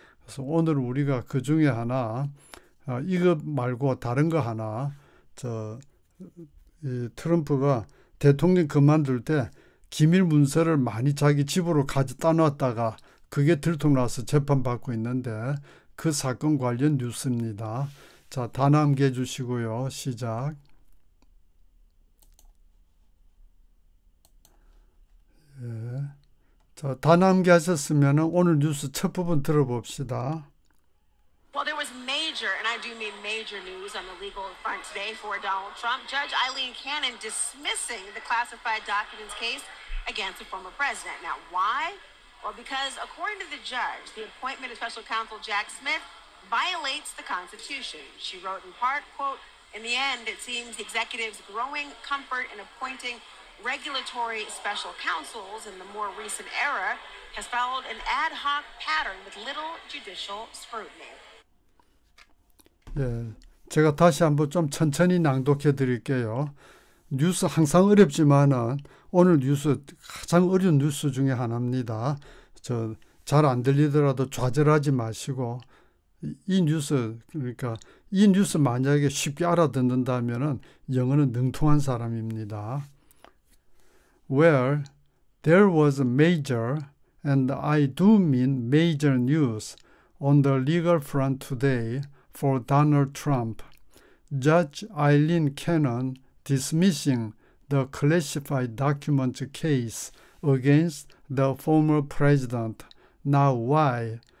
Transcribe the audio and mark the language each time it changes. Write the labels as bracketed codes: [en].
[ko] 그래서 오늘 우리가 그 중에 하나 이거 말고 다른 거 하나, 저이 트럼프가 대통령 그만둘 때 기밀 문서를 많이 자기 집으로 가져 따놨다가 그게 들통나서 재판 받고 있는데, 그 사건 관련 뉴스입니다. 자, 다 남겨 주시고요. 시작. 예. 자, 다 남겨하셨으면 오늘 뉴스 첫 부분 들어봅시다. [en] Well, there was major, and I do mean major news on the legal front today for Donald Trump. Judge Eileen Cannon dismissing the classified documents case against the former president. Now, why? Well, because according to the judge, the appointment of special counsel Jack Smith violates the Constitution. She wrote in part, quote, "In the end, it seems the executive's growing comfort in appointing regulatory special counsels in the more recent era has followed an ad hoc pattern with little judicial scrutiny." [ko] 예, 제가 다시 한번 좀 천천히 낭독해 드릴게요. 뉴스 항상 어렵지만은 오늘 뉴스 가장 어려운 뉴스 중에 하나입니다. 저잘안 들리더라도 좌절하지 마시고, 이 뉴스, 그러니까 이 뉴스 만약에 쉽게 알아듣는다면은 영어는 능통한 사람입니다. [en] Well, there was a major, and I do mean major news on the legal front today for Donald Trump. Judge Eileen Cannon dismissing the classified documents case against the former president. Now why?